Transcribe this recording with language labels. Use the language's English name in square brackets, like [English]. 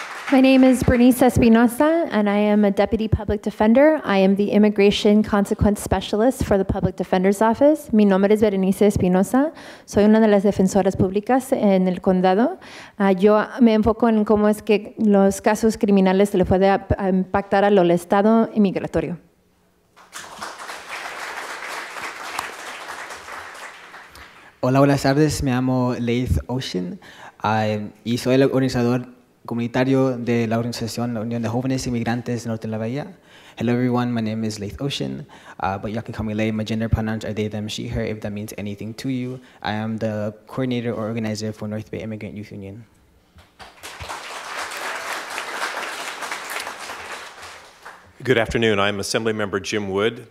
[English] My name is Bernice Espinosa, and I am a deputy public defender. I am the immigration consequence specialist for the public defender's office. [Spanish] Mi nombre es Bernice Espinosa. Soy una de las defensoras públicas en el condado. Yo me enfoco en cómo es que los casos criminales se le puede impactar al estado inmigratorio. Hola, buenas tardes. Me llamo Leith Ocean, y soy el organizador comunitario de la organización La Unión de Jóvenes Inmigrantes Norte de la Bahía. [English] Hello everyone, my name is Leith Ocean, but y'all can call me Leith. My gender pronouns are they, them, she, her, if that means anything to you. I am the coordinator or organizer for North Bay Immigrant Youth Union. Good afternoon, I'm Assemblymember Jim Wood.